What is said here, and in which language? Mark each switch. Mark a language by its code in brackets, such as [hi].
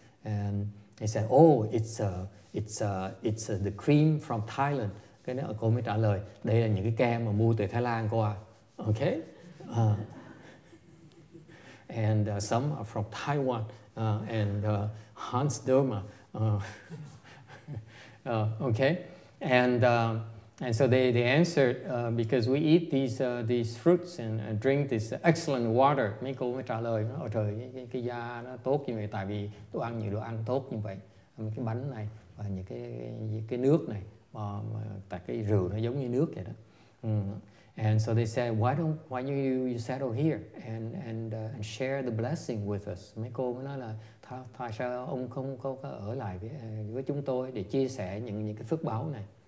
[en] And he said, "Oh, it's the cream from Thailand." [vi] Cái đó cô mới trả lời, đây là những cái kem mà mua từ Thái Lan cô ạ. [en] Okay. And some are from Taiwan, and Hans Dörmer. Okay. And so they answered, because we eat these fruits and drink this excellent water. [vi] Mấy cô mới trả lời, ôi trời, cái da nó tốt như vậy tại vì tôi ăn nhiều đồ ăn tốt như vậy. Cái bánh này và những cái nước này, tại cái rượu nó giống như nước vậy đó. [en] And so they said, why don't you settle here and share the blessing with us? [vi] Mấy cô mới nói là tại sao ông không có ở lại với chúng tôi để chia sẻ những cái phước báo này.